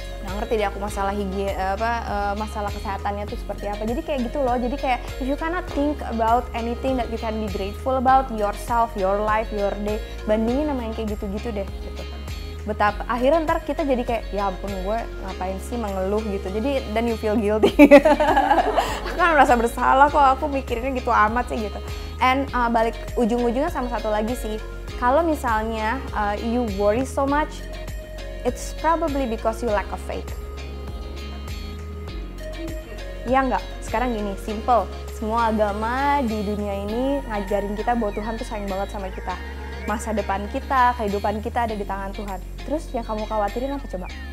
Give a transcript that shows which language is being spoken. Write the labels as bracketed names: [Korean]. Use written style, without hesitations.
[Indonesian] Ngerti deh aku masalah masalah kesehatannya tuh seperti apa. Jadi kayak gitu loh. Jadi kayak [English] if you cannot think about anything that you can be grateful about yourself, your life, your day, [Indonesian] bandingin sama yang kayak gitu-gitu deh. Gitu. Betapa akhirnya ntar kita jadi kayak ya ampun gue ngapain sih mengeluh gitu. [English] Jadi then you feel guilty. [Indonesian] Aku kan merasa bersalah kok aku mikirinnya gitu amat sih gitu. And balik ujung-ujungnya sama satu lagi sih. Kalau misalnya [English] you worry so much, it's probably because you lack of faith. [Indonesian] Iya enggak? Sekarang gini, simple. Semua agama di dunia ini ngajarin kita bahwa Tuhan tuh sayang banget sama kita. Masa depan kita, kehidupan kita ada di tangan Tuhan. Terus yang kamu khawatirin apa coba?